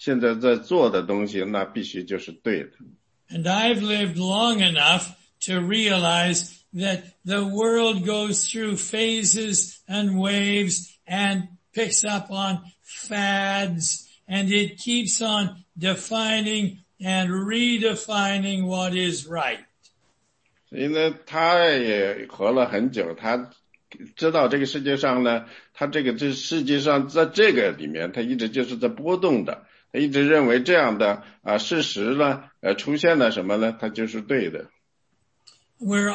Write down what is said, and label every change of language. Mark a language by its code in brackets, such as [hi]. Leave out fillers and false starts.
[zh] 所以非常有趣的是，你问他什么是对的时候呢，他通常说，世界上现在在做的东西，那必须就是对的。 [en] And I've lived long enough to realize that the world goes through phases and waves and picks up on fads and it keeps on defining and redefining what is right. [zh] 所以呢，他也活了很久，他知道这个世界上呢，他这个世界上在这个里面，他一直就是在波动的。他一直认为这样的事实呢，出现了什么呢？他就是对的。 [en] We're